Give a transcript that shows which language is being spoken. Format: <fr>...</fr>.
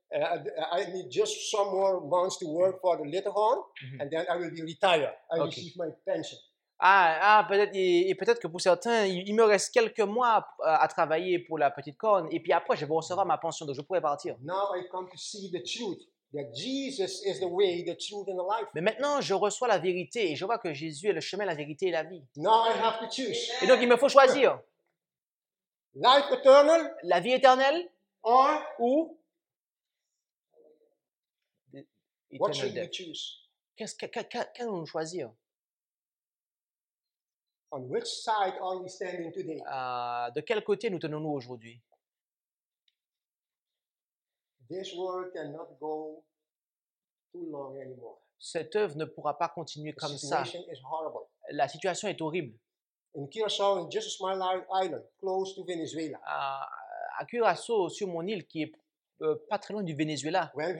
<en>I need just some more months to work for the little horn, mm-hmm. and then I will be retired. I okay. receive my pension.</en> <fr>Ah, peut-être et peut-être que pour certains, il me reste quelques mois à travailler pour la petite corne, et puis après, je vais recevoir ma pension, donc je pourrai partir.</fr> <en>Now I come to see the truth that Jesus is the way, the truth, and the life.</en> <fr>Mais maintenant, je reçois la vérité et je vois que Jésus est le chemin, la vérité et la vie.</fr> <en>Now I have to choose.</en> <fr>Et donc, il me faut choisir.</fr> <en>Life eternal.</en> <fr>La vie éternelle.</fr> <en>Or,</en> <fr>ou</fr> <en>what should we choose?</en> <fr>Qu'est-ce qu'on choisit?</fr> <en>On which side are we standing today?</en> <fr>De quel côté nous tenons-nous aujourd'hui?</fr> <en>This world cannot go too long anymore.</en> <fr>Cette œuvre ne pourra pas continuer</fr> <en>the</en> <fr>comme</fr> <en>situation</en> <fr>ça.</fr> <en>Is horrible.</en> <fr>La situation est horrible.</fr> <en>In Curaçao, in just a small island close to Venezuela.</en> <fr>À Curaçao, sur mon île qui est pas très loin du Venezuela.</fr>